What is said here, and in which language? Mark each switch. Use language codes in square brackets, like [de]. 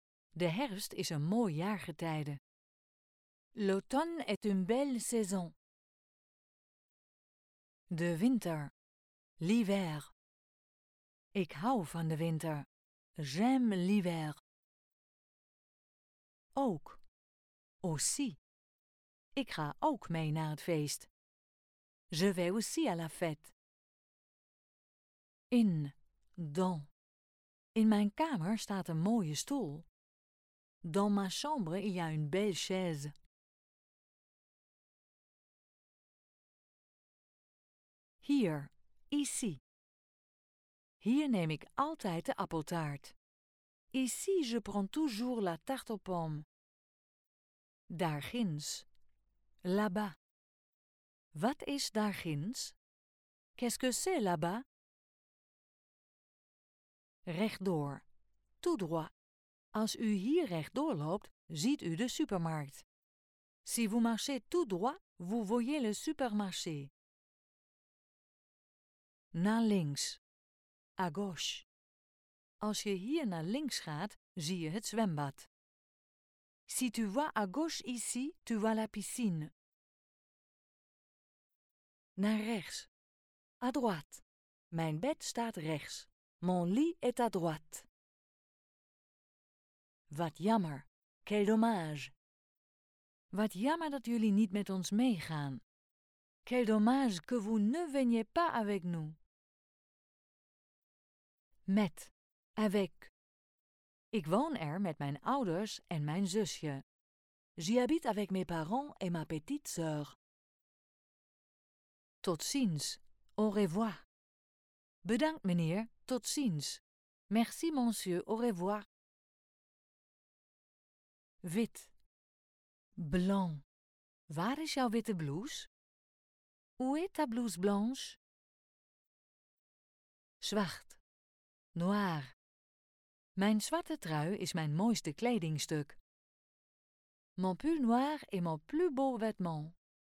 [nl] De herfst is een mooi jaargetijde. [fr] L'automne est une belle saison. [nl] De winter. [fr] L'hiver. [nl] Ik hou van de winter. [fr] J'aime l'hiver. [nl] Ook. [fr] Aussi. [nl] Ik ga ook mee naar het feest. [fr] Je vais aussi à la fête. [nl] In. [fr] Dans. [nl] In mijn kamer staat een mooie stoel. [fr] Dans ma chambre, il y a une belle chaise. [nl] Hier, [fr] ici. [nl] Hier neem ik altijd de appeltaart. [fr] Ici, je prends toujours la tarte aux pommes. [nl] Daar ginds. [fr] Là-bas. [nl] Wat is daar ginds? [fr] Qu'est-ce que c'est là-bas? [nl] Rechtdoor. [fr] Tout droit. [nl] Als u hier rechtdoor loopt, ziet u de supermarkt. [fr] Si vous marchez tout droit, vous voyez le supermarché. [nl] Naar links. [fr] À gauche. [nl] Als je hier naar links gaat, zie je het zwembad. [fr] Si tu vas à gauche ici, tu vois la piscine. [nl] Naar rechts. [fr] À droite. [nl] Mijn bed staat rechts. [fr] Mon lit est à droite. [nl] Wat jammer. [fr] Quel dommage. [nl] Wat jammer dat jullie niet met ons meegaan. [fr] Quel dommage que vous ne veniez pas avec nous. [nl] Met. [fr] Avec. [nl] Ik woon er met mijn ouders en mijn zusje. [fr] J'y habite avec mes parents et ma petite sœur. [nl] Tot ziens. [fr] Au revoir. [nl] Bedankt meneer, tot ziens. [fr] Merci monsieur, au revoir. [nl] Wit. [fr] Blanc. [nl] Waar is jouw witte blouse? [fr] Où est ta blouse blanche? [nl] Zwart. [fr] Noir. [nl] Mijn zwarte trui is mijn mooiste kledingstuk. [fr] Mon pull noir est mon plus beau vêtement.